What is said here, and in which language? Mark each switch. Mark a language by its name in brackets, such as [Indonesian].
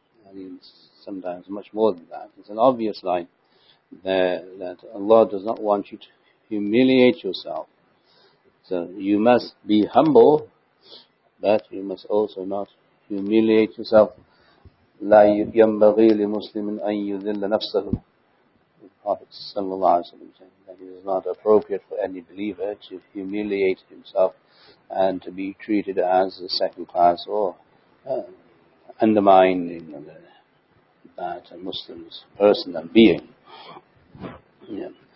[English] I mean, sometimes much more than that. It's an obvious line that Allah does not want you to humiliate yourself. So you must be humble, but you must also not humiliate yourself. [Arabic] لا ينبغي لمسلم أن يذل نفسه. [English] The Prophet said that it is not appropriate for any believer to humiliate himself and to be treated as a second class or undermining that a Muslim's person and being. Yeah.